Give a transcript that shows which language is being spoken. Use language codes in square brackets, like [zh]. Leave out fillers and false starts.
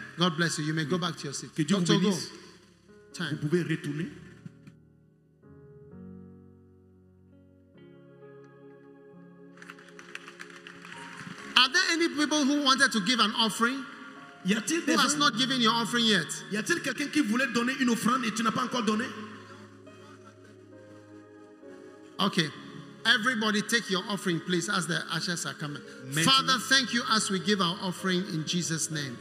[en] God bless you. You may go back to your seat. [fr] Que Dieu vous bénisse. [en] Go. [fr] Time. Vous pouvez retourner. [en] Are there any people who wanted to give an offering? [fr] Y a-t-il [en] who has not given your offering yet? [fr] Y a-t-il quelqu'un qui voulait donner une offrande et tu n'as pas encore donné? [en] Okay. Everybody take your offering, please, as the ashes are coming. [fr] Maintenant. [en] Father, thank you as we give our offering in Jesus' name.